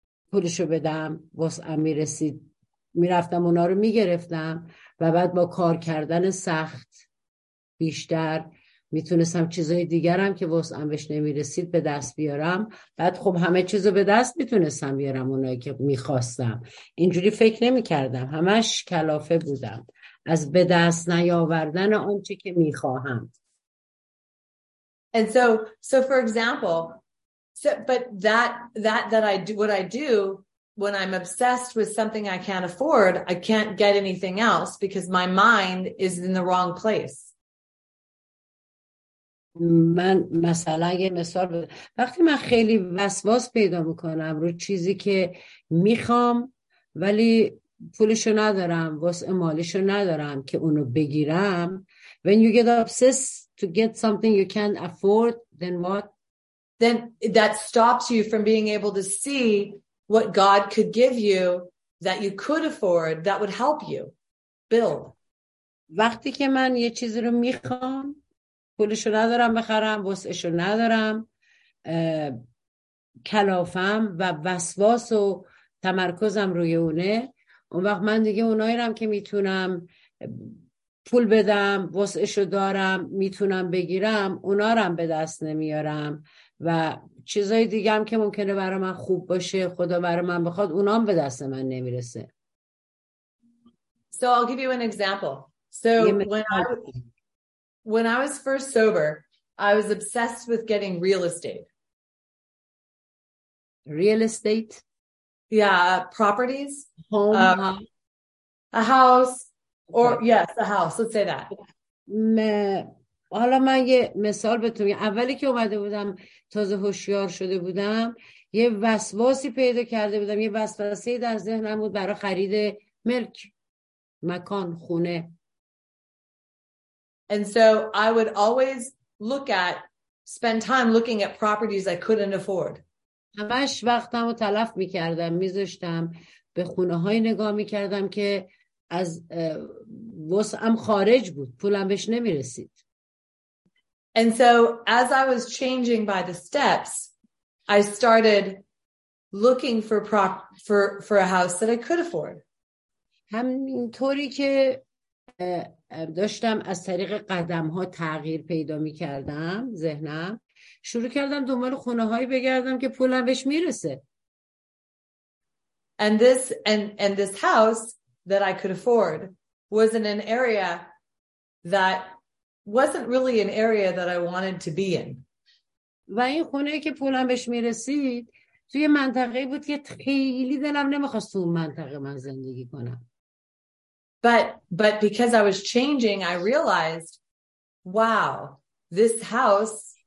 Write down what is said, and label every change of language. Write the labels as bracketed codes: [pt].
[fa] پولشو بدم وسعم میرسید، میرفتم اونا رو میگرفتم و بعد با کار کردن سخت بیشتر میتونستم چیزای دیگرم که وسعم بهش نمیرسید به دست بیارم، بعد خب همه چیزو به دست میتونستم بیارم اونایی که میخواستم. اینجوری فکر نمیکردم، همش کلافه بودم از به دست نیاوردن آنچه که میخواهم. [en] And so for example, so, but that I do, what I do when I'm obsessed with something I can't afford, I can't get anything else because my mind is in the wrong place. [fa] من مثلا یه مثال بده. وقتی من خیلی وسواس پیدا میکنم رو چیزی که میخوام ولی پولشو ندارم، وسع مالیشو ندارم که اونو بگیرم. [en] When you get obsessed to get something you can't afford, then what? Then that stops you from being able to see what God could give you that you could afford that would help you build. [fa] وقتی که من یه چیزی رو میخوام، پولشو ندارم بخرم، وسعشو ندارم، کلافم و وسواس و تمرکزم روی اونه، اون وقت من دیگه اونایی رو که میتونم پول بدم، وسعشو دارم، میتونم بگیرم، اونا رو هم به دست نمیارم و چیزای دیگه هم که ممکنه برای من خوب باشه، خدا برای من بخواد، اونا هم به دست من نمیرسه. [en] So I'll give you an example. So when I was first sober, I was obsessed with getting real estate. Real estate? Yeah, properties, home, a house, or okay. Yes, a house. Let's say that. [fa] حالا من یه مثال بتونم. اولی که اومده بودم، تازه هوشیار شده بودم، یه وسواسی پیدا کرده بودم، یه وسواسی در ذهنم بود برای خرید ملک، مکان، خونه. [en] And so I would always spend time looking at properties I couldn't afford. [fa] همش وقتم رو تلف میکردم، میذاشتم به خونه های نگاه میکردم که از وسعم خارج بود، پولم بهش نمیرسید. [en] And so as I was changing by the steps, I started looking for a house that I could afford. [fa] همینطوری که داشتم از طریق قدم ها تغییر پیدا میکردم ذهنم، شروع کردم دنبال خونه هایی بگردم که پولم بهش میرسه. [en] And this house that I could afford was in an area that wasn't really an area that I wanted to be in. [fa] و این خونه که پولم بهش میرسید توی منطقه بود که خیلی دلم نمیخواست تو منطقه من زندگی کنم. [en] But because I was changing, I realized, wow, this house